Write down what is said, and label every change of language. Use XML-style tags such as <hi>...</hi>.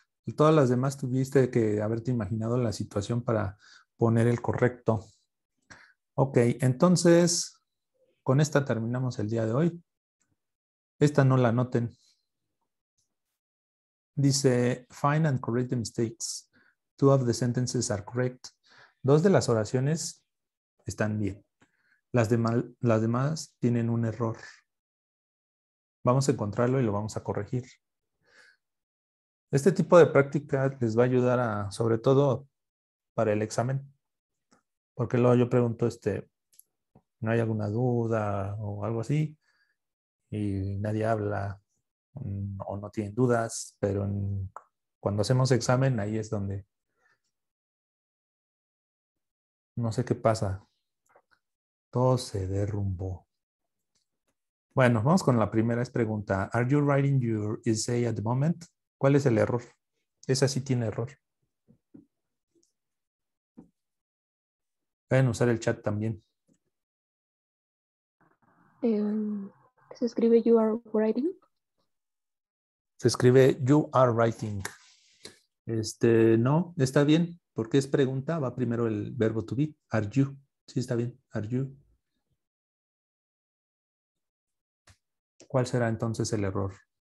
<es>Y todas las demás tuviste que haberte imaginado la situación para poner el correcto. Ok, entonces, con esta terminamos el día de hoy. Esta no la anoten. Dice,</es> <en>find and correct the mistakes. Two of the sentences are correct.</en> <es>Dos de las oraciones están bien. Las demás tienen un error. Vamos a encontrarlo y lo vamos a corregir. Este tipo de práctica les va a ayudar a, sobre todo para el examen. Porque luego yo pregunto, ¿no hay alguna duda o algo así? Y nadie habla. O no tienen dudas, pero cuando hacemos examen, ahí es donde no sé qué pasa. Todo se derrumbó. Bueno, vamos con la primera pregunta.</es> <en>Are you writing your essay at the moment?</en> <es>¿Cuál es el error? Esa sí tiene error. Pueden usar el chat también. Se escribe</es> <en>you are writing.</en> <es>Se escribe,</es> <en>you are writing.</en> <es>No, está bien. Porque es pregunta, va primero el verbo to be.</es> <en>Are you.</en> <es>Sí, está bien. Are you. ¿Cuál será entonces el error?</es>